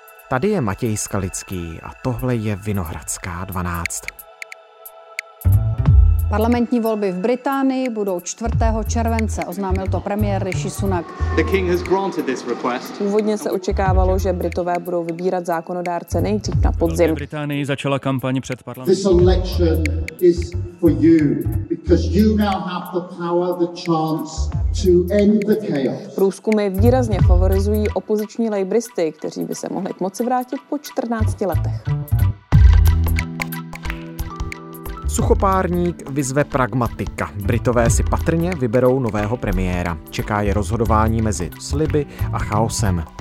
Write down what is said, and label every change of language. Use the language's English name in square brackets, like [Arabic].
[Czech] Tady je Matěj Skalický a tohle je Vinohradská 12. Parlamentní volby v Británii budou 4. července, oznámil to premiér Rishi Sunak. [English] The king has granted this request. [Czech] Původně se očekávalo, že Britové budou vybírat zákonodárce nejdřív na podzim. V Británii začala kampaň před parlamentem. [English] This election is for you because you now have the power, the chance to end the chaos. [Czech] Průzkumy výrazně favorizují opoziční lejbristy, kteří by se mohli k moci vrátit po 14 letech. Suchopárník vyzve pragmatika. Britové si patrně vyberou nového premiéra. Čeká je rozhodování mezi sliby a chaosem.